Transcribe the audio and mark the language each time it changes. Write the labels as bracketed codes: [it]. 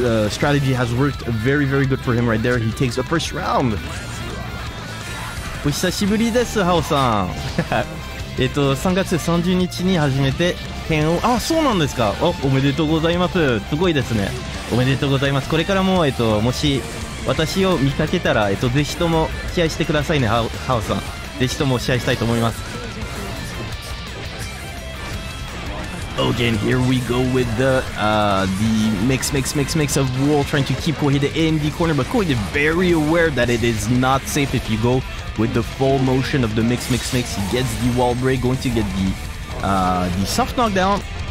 [en] Strategy has worked very, very good for him right there. He takes the first round. [ja] お久しぶりです、ハオさん。3月31日に始めて、あ、そうなんですか。お、おめでとうございます。すごいですね。おめでとうございます。これからも、もし私を見かけたら、ぜひとも試合してくださいね、ハオさん。ぜひとも試合したいと思います。 [en] Again, here we go with the mix of Wall trying to keep Kouhide in the corner, but Kouhide very aware that it is not safe if you go with the full motion of the mix. He gets the wall break, going to get the soft knockdown.